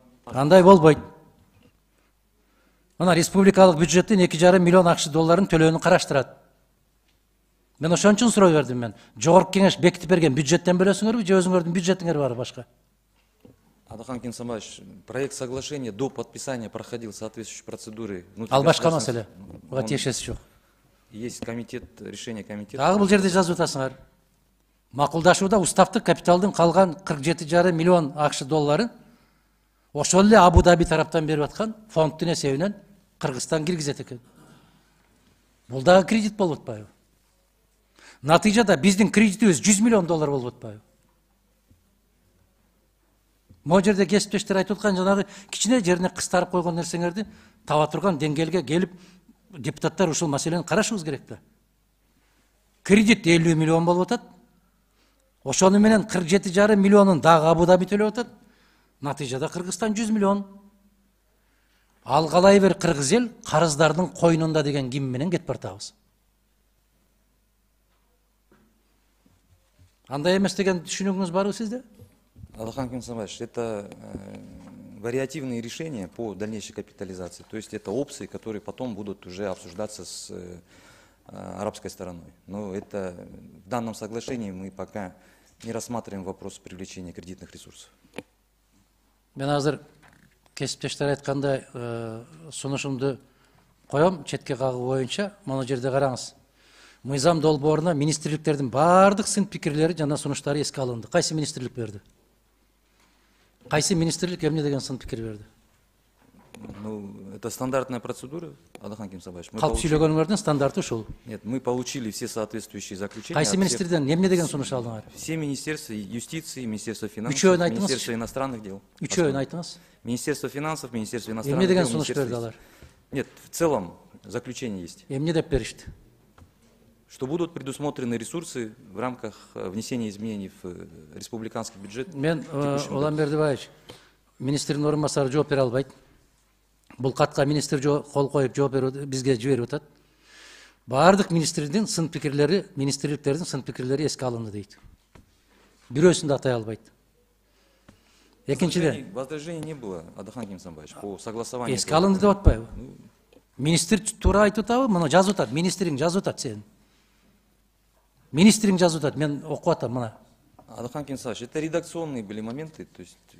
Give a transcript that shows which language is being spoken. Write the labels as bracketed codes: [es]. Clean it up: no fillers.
[ky] Кандай болбойт? Мына республикалык бюджеттин 2,5 миллион акш долларын төлөөнү караштырат. Мен ошон үчүн суроо бердим мен. Жогорку кеңеш бекитип берген бюджеттен бөлөсүңөрбү же өзүңөрдүн бюджетиңер барбы башка? [ru] Адахан Кимсанбаевич, проект соглашения до подписания проходил соответствующие процедуры. [ky] Ал башка маселе. Буга тиешеси жок. [ru] Есть комитет, решение комитета. [ky] Дагы бул жерде жазып атасыңар. Макулдашууда уставтык капиталдын калган 47,5 миллион акш доллары ошол эле Абу-Даби тараптан берип аткан фонддун эсебинен Кыргызстан киргизет экен. Бул дагы кредит болуп атпайбы? Натыйжада биздин кредитибиз 100 миллион доллар болуп атпайбы? Могу жерде кесиптештер айтып аткан жанагы кичине жерине кыстарып койгон нерсеңерди таба турган деңгээлге келип депутаттар ушул маселени карашыбыз керек да. Кредит 50 миллион болуп атат. Ошону менен 47,5 миллионун дагы Абу-Даби төлөп атат. Натыйжада Кыргызстан 100 миллион. Ал калай бир кыргыз эл карыздардын койнунда деген ким менен кетип баратабыз? Андай эмес деген түшүнүгүңүз барбы сизде? [ru] Алахан Кимсанбаевич, это вариативные решения по дальнейшей капитализации. То есть это опции, которые потом будут уже обсуждаться с арабской стороной. Но это в данном соглашении мы пока не рассматриваем вопрос привлечения кредитных ресурсов. [ky] Мен азыр кесиптештер айтканда сунушумду коем четке кагуу боюнча. Мына жерде караңыз. Мыйзам долбооруна министрликтердин баардык сын пикирлери жана сунуштары эске алынды. Кайсы министрлик берди? Кайсы министрлик эмне деген сын пикир берди? [ru] Ну, это стандартная процедура, Адахан Кимсабаевич. [ky] Калп сүйлөгөнүңөрдүн стандарты ушул. [ru] Нет, мы получили все соответствующие заключения. [ky] Кайсы министрден эмне деген сунуш алдыңар? [ru] Все министерства юстиции, министерство финансов, министерство иностранных дел. [ky] Үчөөн айтыңыз? [ru] Министерство финансов, министерство иностранных дел. [ky] Эмне деген сунуш берди алар? [ru] Нет, в целом заключение есть. [ky] Эмне деп беришти? [ru] Что будут предусмотрены ресурсы в рамках внесения изменений в республиканский бюджет? [ky] Мен, Улан Бердибаевич, министр Нурмасар жооп бере албайт. Бул катка министр кол коюп жооп берүүнү бизге жиберип атат. Баардык министрдин сын пикирлери, министрликтердин сын пикирлери эске алынды дейт. Бирөөсүн да атай албайт. Экинчиден, [ru] возражений не было, Адахан Кимсанбаевич, по согласованию. [ky] Эске алынды деп атпайбы? Министр туура айтып атабы? Муну жазып атат, министриң жазып атат сен. Министрим жазып атат, мен окуп атам мына. [ru] Адахан Кимсанбаевич, это редакционные были моменты, то есть